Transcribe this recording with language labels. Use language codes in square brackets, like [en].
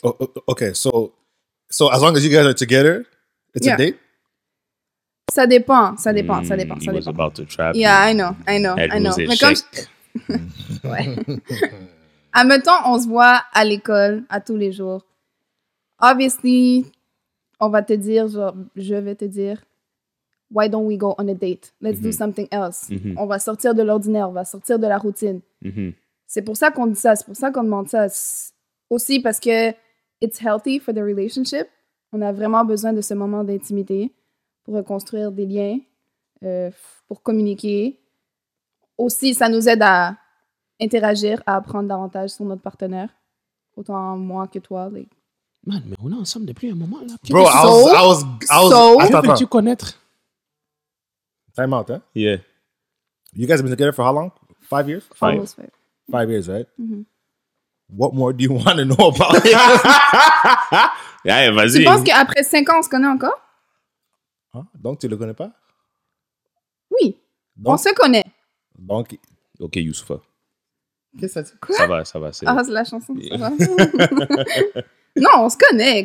[en] Oh, okay, so as long as you guys are together, it's a date? [fr] Ça dépend, ça dépend, ça dépend, ça dépend. [en] He was about to trap. Yeah, him. I know. [fr] Mais quand ouais. À mettons, on se voit à l'école, à tous les jours. Obviously, on va te dire, genre, je vais te dire, [en] why don't we go on a date? Let's do something else. Mm-hmm. [fr] On va sortir de l'ordinaire, on va sortir de la routine. Mm-hmm. C'est pour ça qu'on dit ça, c'est pour ça qu'on demande ça. Aussi parce que [en] it's healthy for the relationship. [fr] On a vraiment besoin de ce moment d'intimité. Pour reconstruire des liens, pour communiquer. Aussi, ça nous aide à interagir, à apprendre davantage sur notre partenaire. Autant moi que toi. Like. Man, mais on est ensemble depuis un moment. Là. Bro, Attends. Que peux-tu connaître? [en] Time out, hein? Yeah. You guys have been together for how long? 5 years? Five years, right? Mm-hmm. What more do you want to know about it? [fr] Yeah, vas-y. Tu penses qu'après 5 ans, on se connaît encore? Hein? Donc, tu le connais pas? Oui, donc, on se connaît. Donc, ok, Youssoufa. Qu'est-ce que ça dit? Ça va. C'est... Ah, c'est la chanson. Yeah. Ça va. Non, on se connaît.